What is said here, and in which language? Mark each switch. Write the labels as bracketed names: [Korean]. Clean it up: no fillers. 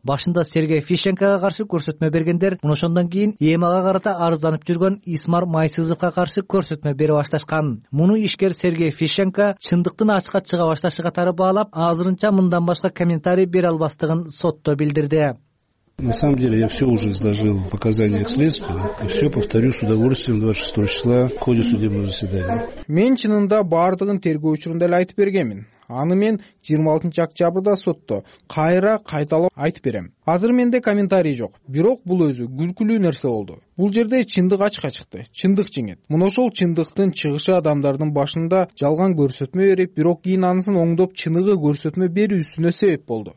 [Kyrgyz] Башында Сергей Фишенкога каршы көрсөтмө бергендер, мына ошондон кийин ЕМАга карата арызданып жүргөн Исмар Майсызовго каршы көрсөтмө бере башташкан. Муну ишкер Сергей Фишенко чындыктын ачыкка чыга башташы катары баалап, азырынча мындан башка комментарий бере албастыгын сотто билдирди. [Russian] На самом деле я все уже изложил в показаниях следствия и все повторю с удовольствием 26 числа в ходе судебного заседания. [Kyrgyz] Мен чынында бардыгын тергөө учурунда эле айтып бергенмин. Аны мен 26 октябрда сотто кайра кайталап айтып берем. Азыр менде комментарий жок, бирок бул өзү күлкүлүү нерсе болду. Бул жерде чындык ачыкка чыкты, чындык жеңет. Мына ошол чындыктын чыгышы адамдардын башында жалган көрсөтмө берип, бирок кийин анысын оңдоп чыныгы көрсөтмө берүү үстүнө себеп болду.